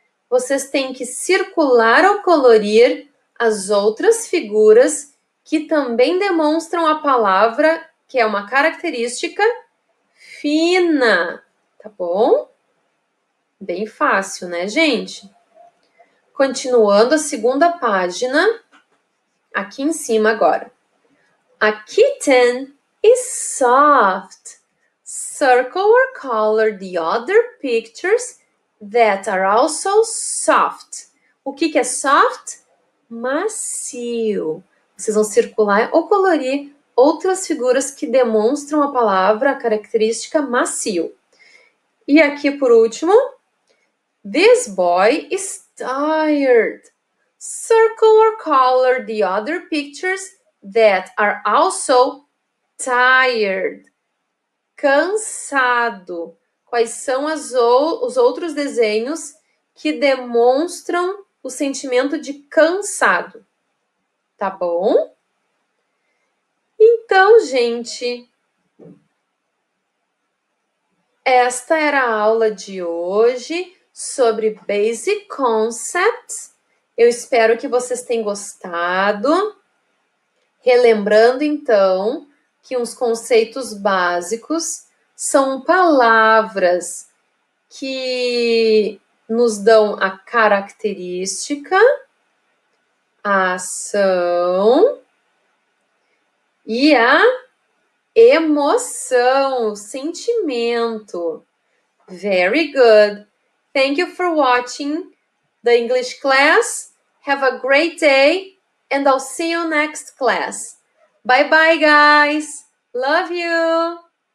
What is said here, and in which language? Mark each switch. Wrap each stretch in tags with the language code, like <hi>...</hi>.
<pt>Vocês têm que circular ou colorir as outras figuras que também demonstram a palavra, que é uma característica, fina. Tá bom? Bem fácil, né, gente? Continuando a segunda página, aqui em cima agora.</pt> <en>A kitten is soft. Circle or color the other pictures that are also soft.</en> <pt>O que que é soft? Macio. Vocês vão circular ou colorir outras figuras que demonstram a palavra, a característica macio. E aqui por último.</pt> <en>This boy is tired. Circle or color the other pictures that are also tired.</en> <pt>Cansado. Quais são os outros desenhos que demonstram o sentimento de cansado? Tá bom? Então, gente, esta era a aula de hoje sobre basic concepts. Eu espero que vocês tenham gostado. Relembrando, então, que os conceitos básicos são palavras que nos dão a característica, a ação e a emoção, o sentimento.</pt> <en>Very good. Thank you for watching the English class. Have a great day and I'll see you next class. Bye-bye, guys. Love you.</en>